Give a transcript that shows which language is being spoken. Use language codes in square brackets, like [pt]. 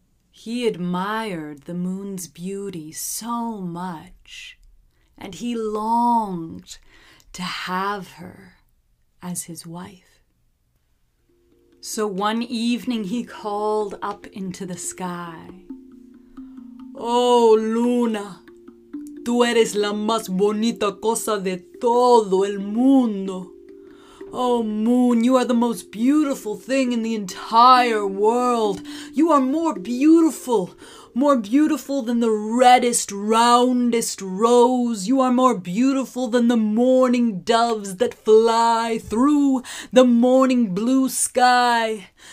[en] He admired the moon's beauty so much, and he longed to have her as his wife. So one evening he called up into the sky, [es] "Oh, Luna, tú eres la más bonita cosa de todo el mundo. [en] Oh, Moon, you are the most beautiful thing in the entire world. You are more beautiful than the reddest, roundest rose. You are more beautiful than the morning doves that fly through the morning blue sky.